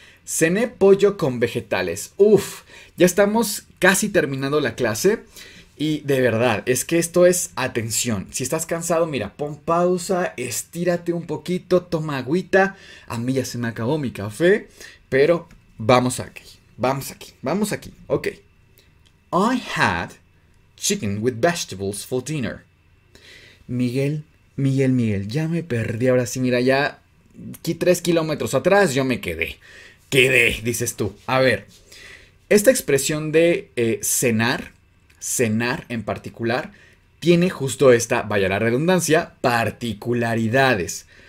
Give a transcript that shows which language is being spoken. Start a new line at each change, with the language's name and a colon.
Spanish: Cené pollo con vegetales. Uf, ya estamos casi terminando la clase. Y de verdad, es que esto es atención. Si estás cansado, mira, pon pausa, estírate un poquito, toma agüita. A mí ya se me acabó mi café, pero vamos aquí, vamos aquí, vamos aquí. Ok.
English: I had chicken with vegetables for dinner.
Spanish: Miguel, ya me perdí. Ahora sí, mira, ya 3 kilómetros atrás yo me quedé. Quedé, dices tú. A ver, esta expresión de cenar. Cenar en particular tiene justo esta, vaya la redundancia, particularidades.